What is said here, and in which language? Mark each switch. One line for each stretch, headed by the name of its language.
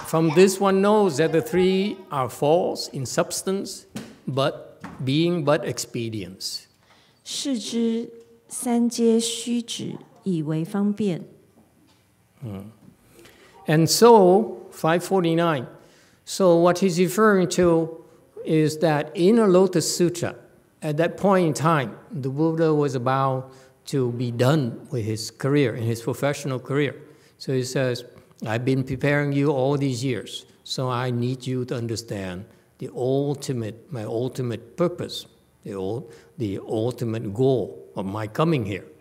English: From this one knows that the three are false in substance, but being but expedients.
Chinese: 是知三皆虚指，以为方便。嗯。
English: And so, 549. So what he's referring to is that in a Lotus Sutra, at that point in time, the Buddha was about to be done with his career, in his professional career. So he says, I've been preparing you all these years, so I need you to understand the ultimate, my ultimate purpose, the ultimate goal of my coming here.